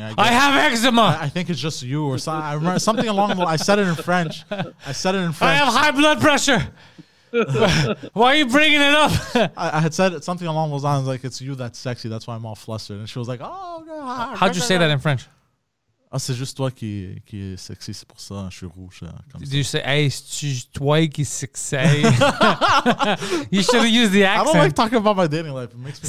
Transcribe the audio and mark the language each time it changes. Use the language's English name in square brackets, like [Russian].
[English] I have eczema. I think it's just you or something. I remember something along the line. I said it in French. I have high blood pressure. Why are you bringing it up? I had said something along those lines, like, it's you that's sexy. That's why I'm all flustered. And she was like, oh, God. How'd you say that in French? [French] Ah, c'est juste toi qui est sexy. C'est pour ça, je suis rouge. [English] Did you say, hey, [French] c'est juste toi qui est sexy? [English] You should have used the accent. I don't like talking about my dating life. It makes me